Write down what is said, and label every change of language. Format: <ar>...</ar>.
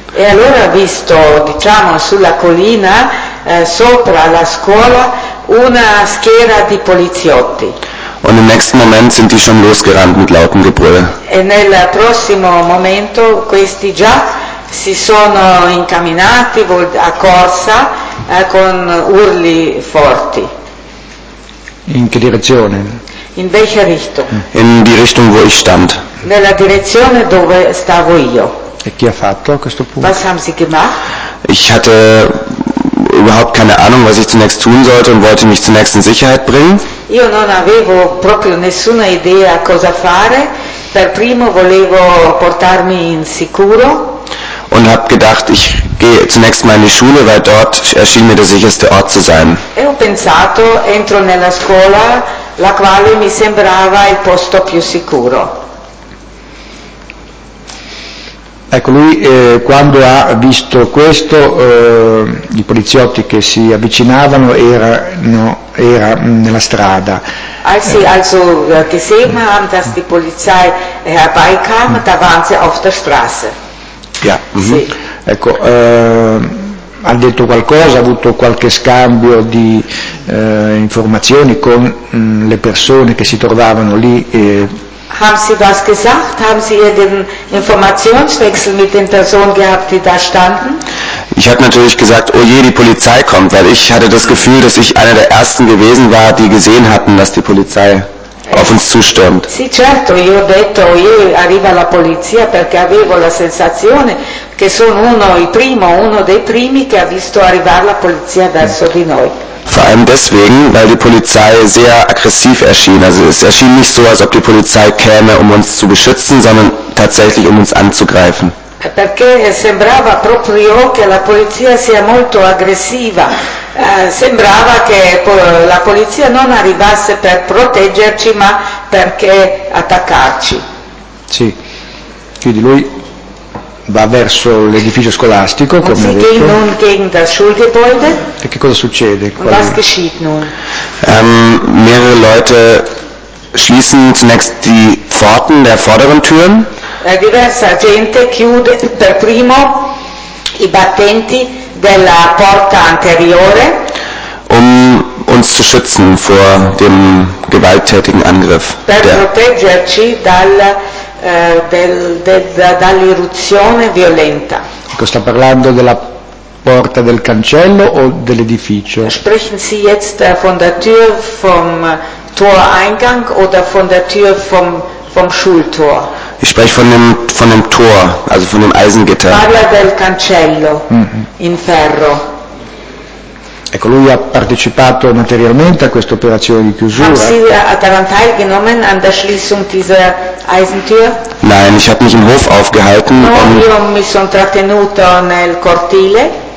<it>E allora visto, diciamo, sulla collina, sopra la scuola, una schiera di poliziotti.</it> <de>Und im nächsten Moment sind die schon losgerannt mit lautem Gebrüll.</de> <it>E nel prossimo momento questi già si sono incamminati a corsa con urli forti. In che direzione?</it> <de>In welche Richtung? In die Richtung, wo ich stand.</de> <it>Nella direzione dove stavo io. E chi ha fatto a questo punto?</it> <de>Was haben sie gemacht? Ich hatte überhaupt keine Ahnung, was ich zunächst tun sollte und wollte mich zunächst in Sicherheit bringen.</de> <it>Io non avevo proprio nessuna idea cosa fare. Per primo volevo portarmi in sicuro.</it> <de>Und habe gedacht, ich gehe zunächst mal in die Schule, weil dort erschien mir der sicherste Ort zu sein.</de> <it>E ho pensato, entro nella scuola, la quale mi sembrava il posto più sicuro. Ecco, lui quando ha visto questo, i poliziotti che si avvicinavano era nella strada.</it> <de>Also gesehen haben, dass die Polizei herbeikam, da waren sie auf der Straße. Ja,</de> <it>sì. Ecco, ha detto qualcosa, ha avuto qualche scambio di informazioni con le persone che si trovavano lì.</it> <de>Haben Sie was gesagt? Haben Sie den Informationswechsel mit den Personen gehabt, die da standen? Ich habe natürlich gesagt, oh je, die Polizei kommt, weil ich hatte das Gefühl, dass ich einer der Ersten gewesen war, die gesehen hatten, dass die Polizei auf uns zustürmt.</de> <it>Sì, certo, io ho detto, oh je, arriva la polizia, perché avevo la sensazione che sono uno dei primi che ha visto arrivare la polizia verso di noi.</it> <de>Vor allem deswegen, weil die Polizei sehr aggressiv erschien. Also es erschien nicht so, als ob die Polizei käme, um uns zu beschützen, sondern tatsächlich, um uns anzugreifen.</de> <it>Perché sembrava proprio che la polizia sia molto aggressiva. Sembrava che la polizia non arrivasse per proteggerci, ma perché attaccarci. Sì, quindi lui va verso l'edificio scolastico, come</it> <de>sie gehen nun gegen das Schulgebäude.</de> <it>E che cosa succede?</it> <de>Was geschieht nun? Mehrere Leute schließen zunächst die Pforten der vorderen Türen.</de> <it>Diversa gente chiude per primo i battenti della porta anteriore.</it> <de>Um uns zu schützen vor dem gewalttätigen Angriff.</de> <it>Per proteggerci dall'irruzione violenta. Ecco, sta parlando della porta del cancello o dell'edificio?</it> <de>Sprechen Sie jetzt von der Tür vom Toreingang oder von der Tür vom Schultor? Ich spreche von dem Tor, also von dem Eisengitter.</de> <it>Parla del cancello in ferro. Ecco, lui ha partecipato materialmente a questa operazione di chiusura.</it> <de>Haben Sie daran teilgenommen an der Schließung dieser Eisentür? Nein, ich habe mich im Hof aufgehalten.</de> <it>No, io mi sono trattenuto nel cortile.</it>